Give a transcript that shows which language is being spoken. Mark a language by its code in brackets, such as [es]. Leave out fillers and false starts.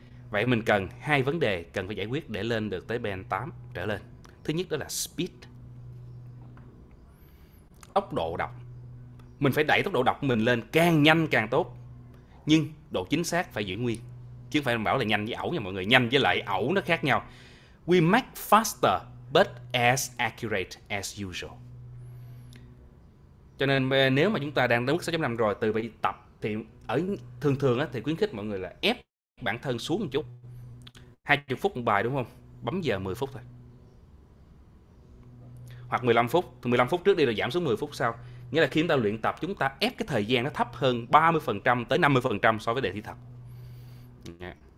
[vi] Vậy mình cần hai vấn đề cần phải giải quyết để lên được tới band 8 trở lên. Thứ nhất đó là speed, tốc độ đọc. Mình phải đẩy tốc độ đọc mình lên càng nhanh càng tốt. Nhưng độ chính xác phải giữ nguyên, chứ không phải mình bảo là nhanh với ẩu nha mọi người. Nhanh với lại ẩu nó khác nhau. [en] We make faster but as accurate as usual. [vi] Cho nên nếu mà chúng ta đang tới mức 6.5 rồi, từ bây giờ tập thì ở thường thường á, thì khuyến khích mọi người là ép bản thân xuống một chút. 20 phút một bài đúng không? Bấm giờ 10 phút thôi. Hoặc 15 phút. 15 phút trước đi rồi giảm xuống 10 phút sau. Nghĩa là khi chúng ta luyện tập, chúng ta ép cái thời gian nó thấp hơn 30% tới 50% so với đề thi thật. Yeah.